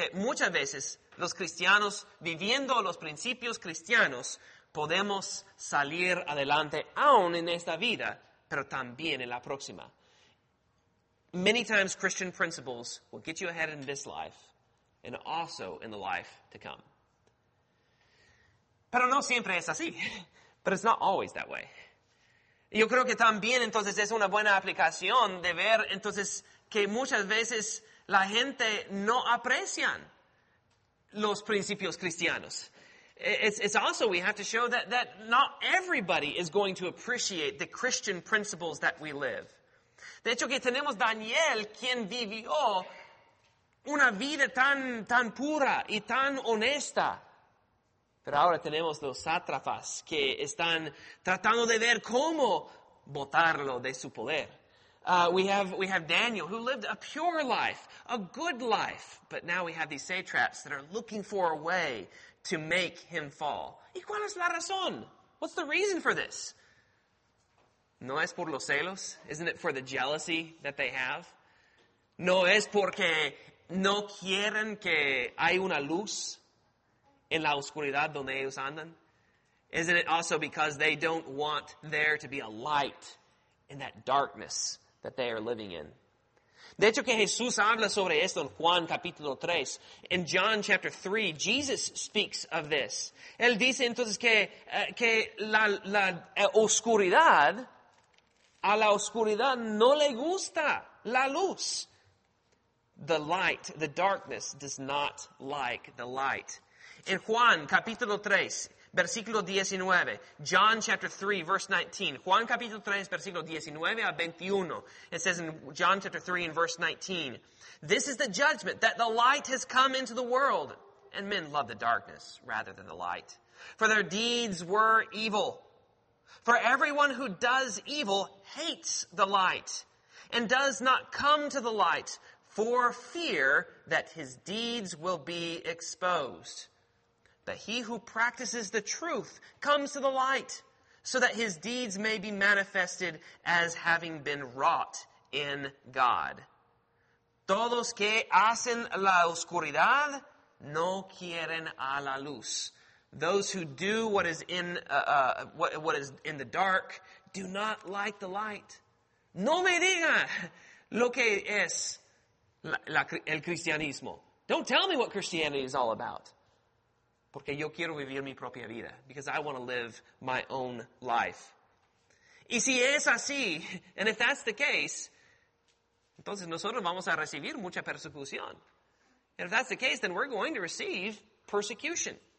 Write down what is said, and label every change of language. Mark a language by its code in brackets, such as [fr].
[es] Muchas veces los cristianos viviendo los principios cristianos, podemos salir adelante aún en esta vida, pero también en la próxima. [en] Many times Christian principles will get you ahead in this life and also in the life to come. [es] Pero no siempre es así. [en] But it's not always that way. [es] Yo creo que también entonces es una buena aplicación de ver entonces que muchas veces la gente no aprecian los principios cristianos. [en] It's also, we have to show that not everybody is going to appreciate the Christian principles that we live. [es] De hecho, que tenemos Daniel, quien vivió una vida tan pura y tan honesta. Pero ahora tenemos los sátrapas que están tratando de ver cómo botarlo de su poder. [en] We have Daniel, who lived a pure life, a good life. But now we have these satraps that are looking for a way to make him fall. [es] ¿Y cuál es la razón? [en] What's the reason for this? [es] No es por los celos. [en] Isn't it for the jealousy that they have? [es] No es porque no quieren que hay una luz en la oscuridad donde ellos andan. [en] Isn't it also because they don't want there to be a light in that darkness that they are living in? [es] De hecho, que Jesús habla sobre esto en Juan capítulo 3. [en] In John chapter 3, Jesus speaks of this. [es] Él dice entonces que la oscuridad no le gusta la luz. [en] The light, the darkness does not like the light. [es] In Juan capítulo 3, versículo 19, [en] John chapter 3, verse 19. [es] Juan capítulo 3, versículo 19 a 21. [en] It says in John chapter 3 and verse 19, this is the judgment, that the light has come into the world, and men love the darkness rather than the light. For their deeds were evil. For everyone who does evil hates the light, and does not come to the light for fear that his deeds will be exposed. But he who practices the truth comes to the light so that his deeds may be manifested as having been wrought in God. [es] Todos que hacen la oscuridad no quieren a la luz. [en] Those who do what is in what is in the dark do not like the light. [es] No me diga lo que es el cristianismo. [en] Don't tell me what Christianity is all about. [es] Porque yo quiero vivir mi propia vida. [en] Because I want to live my own life. [es] Y si es así, [en] and if that's the case, [es] entonces nosotros vamos a recibir mucha persecución. [en] And if that's the case, then we're going to receive persecution.